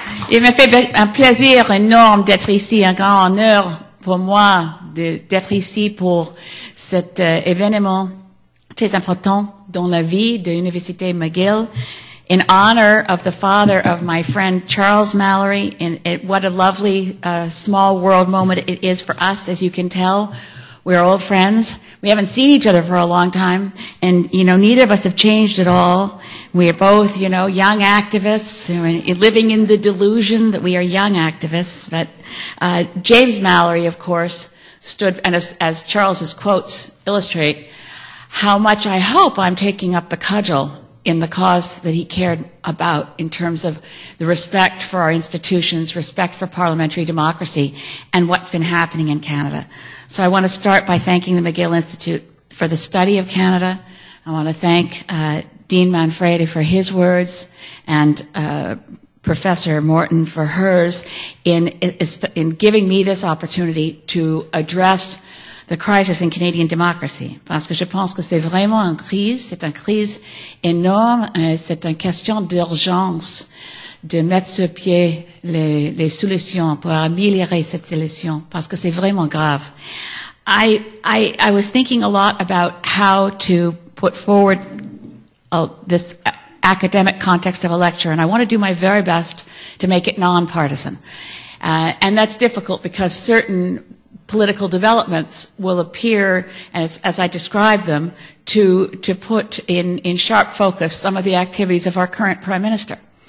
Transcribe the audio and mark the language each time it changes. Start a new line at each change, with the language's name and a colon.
French: Il me fait un plaisir énorme d'être ici, un grand honneur pour moi d'être ici pour cet événement très important dans la vie de l'Université McGill.
English: In honor of the father of my friend Charles Mallory, and what a lovely small world moment it is for us, as you can tell. We're old friends. We haven't seen each other for a long time, and, you know, neither of us have changed at all. We are both, you know, young activists, living in the delusion that we are young activists. But James Mallory, of course, stood, and as Charles's quotes illustrate, how much I hope I'm taking up the cudgel in the cause that he cared about in terms of the respect for our institutions, respect for parliamentary democracy, and what's been happening in Canada. So I want to start by thanking the McGill Institute for the study of Canada. I want to thank Dean Manfredi for his words and Professor Morton for hers in giving me this opportunity to address the crisis in Canadian democracy.
French: Parce que je pense que c'est vraiment une crise, c'est une crise énorme, c'est une question d'urgence de mettre sur pied les solutions pour améliorer cette solution, parce que c'est vraiment grave.
English: I was thinking a lot about how to put forward this academic context of a lecture, and I want to do my very best to make it nonpartisan. And that's difficult because certain political developments will appear, as I describe them, to put in sharp focus some of the activities of our current Prime Minister.